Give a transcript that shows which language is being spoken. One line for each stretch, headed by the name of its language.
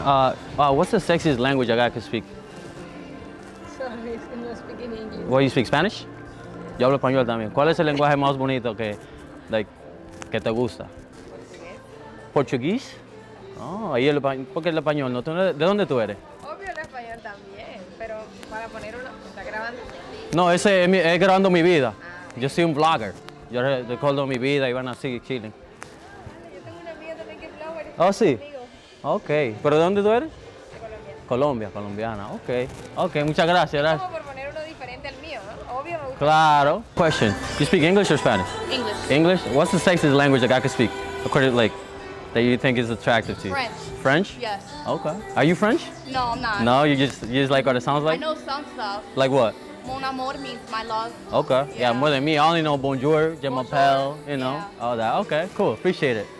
English: What's the sexiest language a guy could speak? Sorry, I'm not speaking English. What, you speak Spanish?
Spanish: Yo hablo español también. ¿Cuál es el lenguaje más bonito que, like, que te gusta?
English: Portuguese.
Spanish: Portuguese? Oh, ¿por qué el español? ¿No? ¿De dónde tú eres? Obvio el español también, pero para poner uno, está grabando. No, ese es grabando mi vida. Ah, yo soy un vlogger. Yo recuerdo mi vida y van así, chilling. Yo tengo una amiga también que es vlogger. Oh, sí. Conmigo. Ok. ¿Pero de dónde tú eres? De Colombia. Colombia, colombiana. Ok. Ok, muchas gracias. Es como por poner uno diferente al mío, ¿no? Obvio, me gusta.
English: Claro. Question. Do you speak English or Spanish? English. English? What's the sexiest language a guy can speak? According to, like, that you think is attractive to you? French. French? Yes. Okay. Are you French? No, I'm not. No, you just like what it sounds like? I know some stuff. Like what?
French: mon amor
English: means my love. Okay. Yeah, more than me. I only know
French: bonjour, je m'appelle,
English: you know, all that. Okay, cool. Appreciate it.